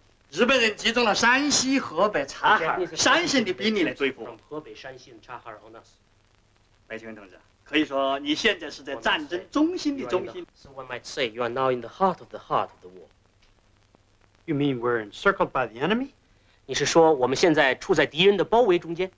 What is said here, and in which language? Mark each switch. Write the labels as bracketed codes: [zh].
[zh] 日本人集中了山西、河北、察哈尔三省的兵力来对付。河北、山西、察哈尔、敖纳斯。白求恩同志，可以说你现在是在战争中心的中心。 [en] So one might say you are now in the heart of the heart of the war. You mean we're encircled by the enemy? [zh] 你是说我们现在处在敌人的包围中间？